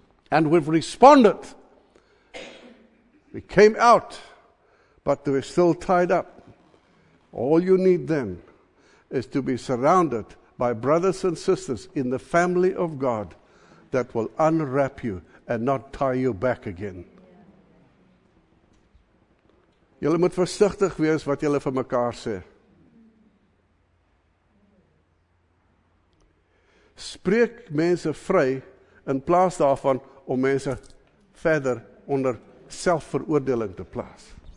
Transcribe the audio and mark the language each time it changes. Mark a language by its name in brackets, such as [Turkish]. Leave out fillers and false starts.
[English] And we've responded. We came out, but we're still tied up. All you need then is to be surrounded by brothers and sisters in the family of God that will unwrap you and not tie you back again. [Afrikaans] Julle moet versigtig wees wat julle vir mekaar sê. Spreek mense vry in plaas daarvan om mense verder onder selfveroordeling te plaas.